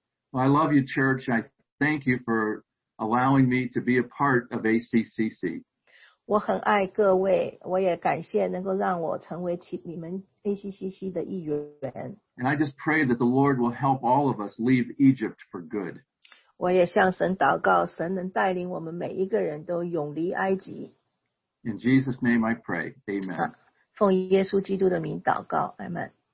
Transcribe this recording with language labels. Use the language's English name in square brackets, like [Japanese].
[English] Well, I love you, church. I thank you for allowing me to be a part of ACCC. [Chinese] 我很爱各位我也感谢能够让我成为你们 ACCC 的一员。 [English] And I just pray that the Lord will help all of us leave Egypt for good. [Chinese] 我也向神祷告，神能带领我们每一个人都永离埃及。 [English] In Jesus' name I pray, Amen. [Chinese] 奉耶稣基督的名祷告 ，Amen.